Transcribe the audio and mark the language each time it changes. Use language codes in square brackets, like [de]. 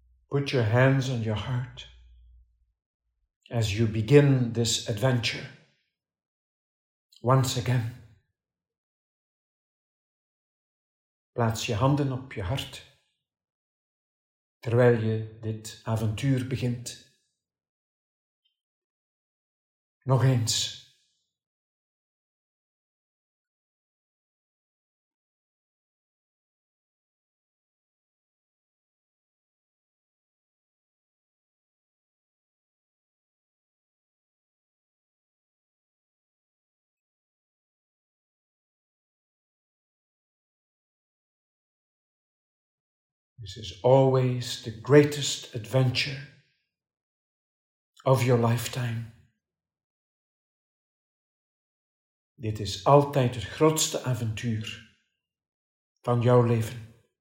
[en] Put your hands on your heart as you begin this adventure once again. [nl] Plaats je handen op je hart terwijl je dit avontuur begint. Nog eens. [en] This is always the greatest adventure of your lifetime. [nl] Dit is altijd het grootste avontuur van jouw leven.